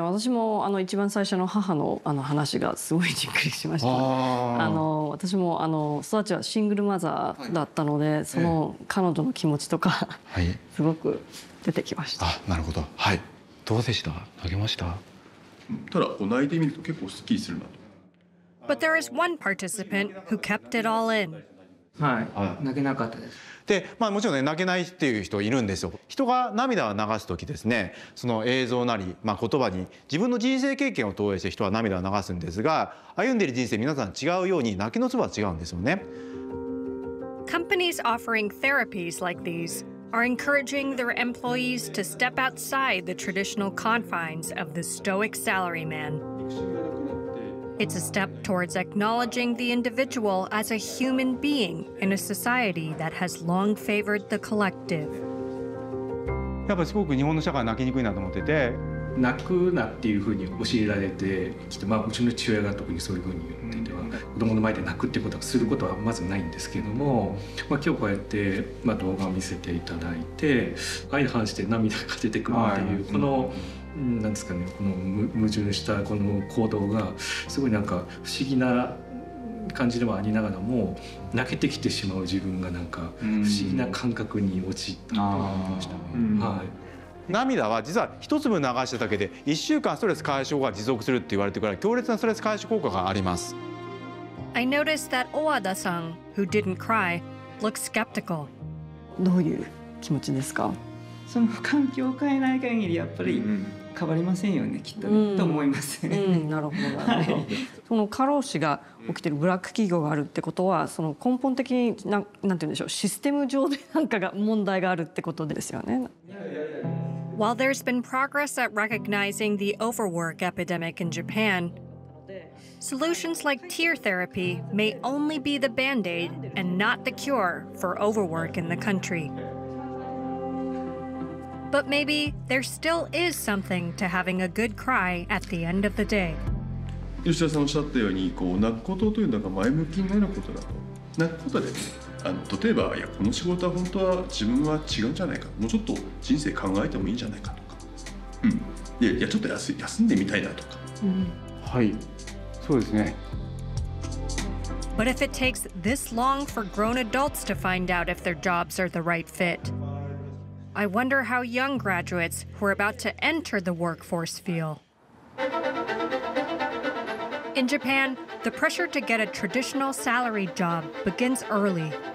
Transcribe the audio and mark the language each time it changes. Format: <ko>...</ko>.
<ja>私も一番最初の母の話がすごいじっくりしました。私も育ちはシングルマザーだったので、はい、その彼女の気持ちとか、はい、すごく出てきました。あ、なるほど。はい。どうでした？泣けました？ただ泣いてみると結構スッキリするなと。</ja> <en>But there is one participant who kept it all in.</en> <ja>はい。泣けなかったです。でまあ、もちろん、ね、泣けないっていう人いるんですよ。人が涙を流すときですね、その映像なり、まあ、言葉に自分の人生経験を投影して人は涙を流すんですが、歩んでいる人生皆さん違うように泣きのツボは違うんですよね。</ja> <en>Companies offering therapies like these are encouraging their employees to step outside the traditional confines of the stoic salaryman. It's a step towards acknowledging the individual as a human being in a society that has long favored the collective.</en> <ja>やっぱりすごく日本の社会は泣きにくいなと思ってて、泣くなっていうふうに教えられてきて、まあうちの父親が特にそういうふうに言ってて、子供の前で泣くっていうことはすることはまずないんですけども、まあ今日こうやってまあ動画を見せていただいて、相反して涙が出てくるっていうこの。なんですかね、この矛盾したこの行動がすごいなんか不思議な感じではありながらも、泣けてきてしまう自分がなんか不思議な感覚に陥ったと思いましたね。はい、涙は実は一粒流しただけで1週間ストレス解消が持続するって言われてから強烈なストレス解消効果があります。</ja> <en>I noticed that 小和田さん who didn't cry looked skeptical.</en> <ja>どういう気持ちですか？その環境を変えない限りやっぱり変わりませんよね、うん、きっと、ねうん、と思います、うん、なるほど、はい、その過労死が起きているブラック企業があるってことはその根本的に なんて言うんでしょう、システム上でなんかが問題があるってことですよね。いやいやいや、</ja> <en>While there's been progress at recognizing the overwork epidemic in Japan, solutions like tier therapy may only be the band-aid and not the cure for overwork in the country. But maybe there still is something to having a good cry at the end of the day.</en> <ja>吉田さんおっしゃったように、こう泣くことというのが前向きになることだと。泣くことで、ね、例えば、いやこの仕事は本当は自分は違うんじゃないか、もうちょっと人生考えてもいいんじゃないかとか、うん、でいやちょっと休んでみたいなとか、うん、はい、そうですね。</ja> <en>But if it takes this long for grown adults to find out if their jobs are the right fit, I wonder how young graduates who are about to enter the workforce feel. In Japan, the pressure to get a traditional salary job begins early.</en>